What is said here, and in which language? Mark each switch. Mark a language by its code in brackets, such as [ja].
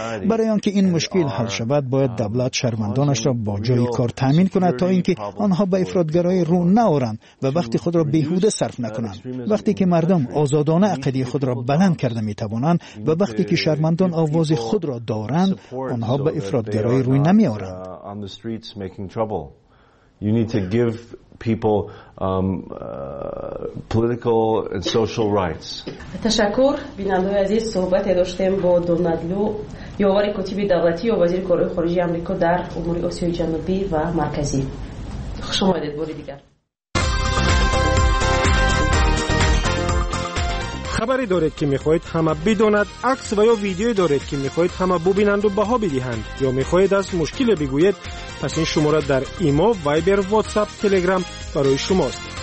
[fa] برای آنکه این مشکل حل شود، باید دولت شهروندانش را با جای کار تامین کند تا اینکه آنها به افراطگرایی رو نآورند و وقت خود را بیهوده صرف نکنند. وقتی که مردم آزادانه عقیده خود را بلند کرده می توانند و وقتی که شهروندان آواز خود را دارند، آنها به افراطگرایی روی نمی آورند. [en] You need to give people political and social rights. [fa] تشکر بیننده عزیز، صحبت داشتیم با دونالدلو یاور کتیبه دولتی و وزیر کارهای خارجه آمریکا در امور آسیای جنوبی و مرکزی. خوش آمدید بار دیگر. خبری دارید که میخواهید همه بدانند؟ عکس و یا ویدیوی دارید که میخواهید همه ببینند و بها بدهند؟ یا میخواهید از مشکل بگویید؟ پس این شماره در ایمو، وایبر، واتساپ، تلگرام برای شماست.